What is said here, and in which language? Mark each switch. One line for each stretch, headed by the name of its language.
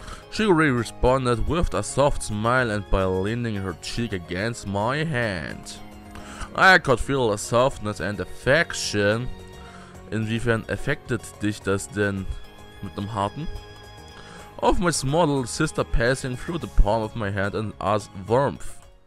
English: Shigure responded with a soft smile and by leaning her cheek against my hand. I could feel a softness and affection.
German: Inwiefern affected dich das denn mit dem Harten?
English: Of my small little sister passing through the palm of my hand and as warmth.